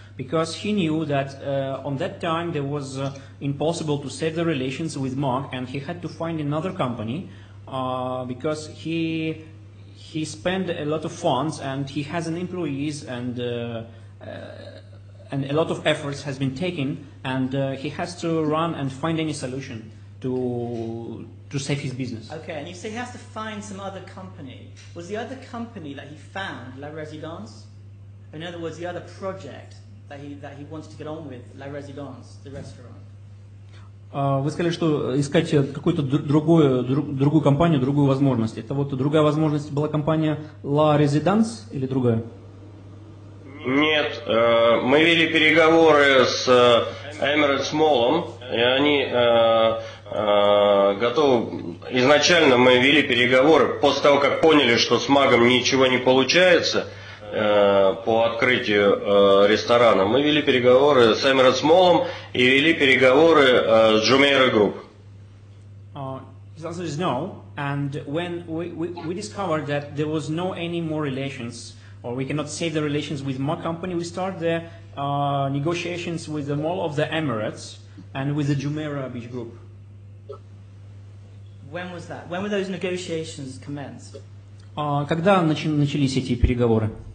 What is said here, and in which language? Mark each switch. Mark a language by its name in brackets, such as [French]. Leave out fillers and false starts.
[English] because he knew that on that time there was impossible to save the relations with Mark, and he had to find another company because he spent a lot of funds and he has an employees and a lot of efforts has been taken, and he has to run and find any solution to save his business. Okay, and you say he has to find some other company. Was the other company that he found La Residence? In other words, the other project that he wants to get on with, La Residence, the restaurant. [Russian] Вы сказали, что искать какую-то другую компанию, другую возможность. Это вот другая возможность была компания La Residence или другая? Нет, мы вели переговоры с Emirates Mall'ом, и они готовы. Изначально мы вели переговоры после того, как поняли, что с Магом ничего не получается по открытию ресторана. Мы вели переговоры с Emirates Mall'ом и вели переговоры с Jumeirah Group. [English] Answer is no, and when we discovered that there was no any more relations, or we cannot save the relations with my company, we start the negotiations with the Mall of the Emirates and with the Jumeirah Beach Group. When was that? When were those negotiations commenced? [Russian] Когда начались эти переговоры?